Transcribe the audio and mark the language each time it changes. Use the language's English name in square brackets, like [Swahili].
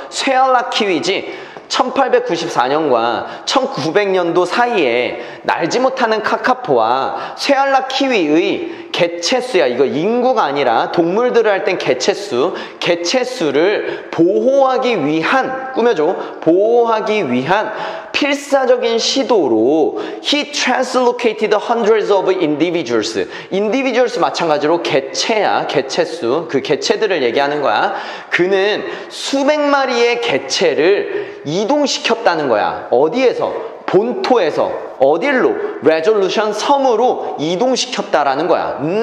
[Korean] 쇠알라 키위지. 1894년과 1900년도 사이에 날지 못하는 카카포와 쇠알라 키위의 개체수야. 이거 인구가 아니라 동물들을 할 땐 개체수. 개체수를 보호하기 위한, 꾸며줘. 보호하기 위한 필사적인 시도로 [English] he translocated hundreds of individuals. [Korean] individuals 마찬가지로 개체야. 개체수. 그 개체들을 얘기하는 거야. 그는 수백 마리의 개체를 이동시켰다는 거야. 어디에서? 본토에서. 어딜로? 레졸루션 섬으로 이동시켰다라는 거야.